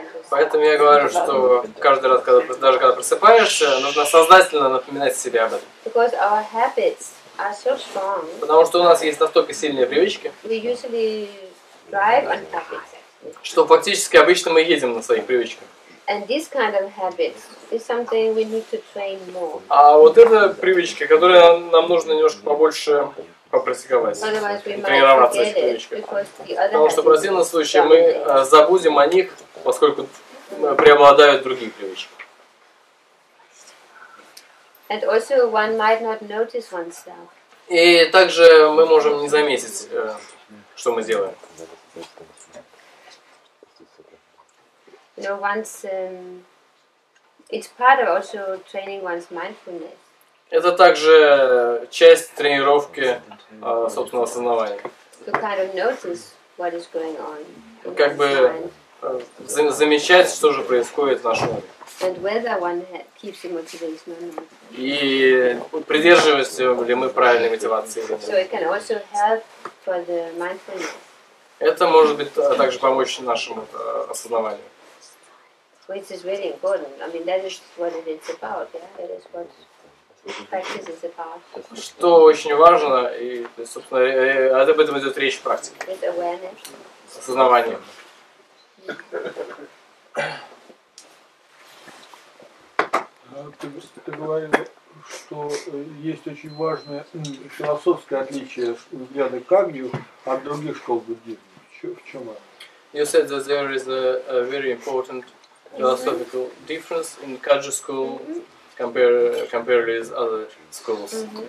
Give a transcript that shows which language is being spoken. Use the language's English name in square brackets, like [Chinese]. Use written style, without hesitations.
[Russian] Поэтому я говорю, что каждый раз, когда просыпаешься, нужно сознательно напоминать себе об этом. [English] Because our habits are so strong. [Russian] Потому что у нас есть настолько сильные привычки. [English] We usually drive on habits. [Russian] Что фактически обычно мы едем на своих привычках. [English] And this kind of habits is something we need to train more. [Russian] А вот это привычки, которые нам нужно немножко побольше попрактиковать, тренироваться эти привычки. Потому что в противном случае мы забудем о них, поскольку преобладают другие привычки. [English] And also one might not notice oneself. [Russian] И также мы можем не заметить, что мы делаем. [English] You know, once it's part of also training one's mindfulness. [Russian] Это также часть тренировки собственного сознания. [English] To kind of notice what is going on. [Russian] Как бы замечать, что же происходит в нашем. [English] And whether one keeps the motivation or not. [Russian] И придерживаемся ли мы правильной мотивации. [English] So it can also help for the mindfulness. [Russian] Это может быть также помочь нашему осознаванию. [English] Which is really important. I mean, that is what it's about. Yeah, that is what practice is about. [Russian] Что очень важно и, собственно, об этом идет речь в практике. [English] With awareness. [Russian] С осознаванием. Ты говорил, что есть очень важное философское отличие взгляда Кагью от других школ буддизма. В чем оно? [English] You said that there is a very important philosophical difference in Kagyu school compared with other schools.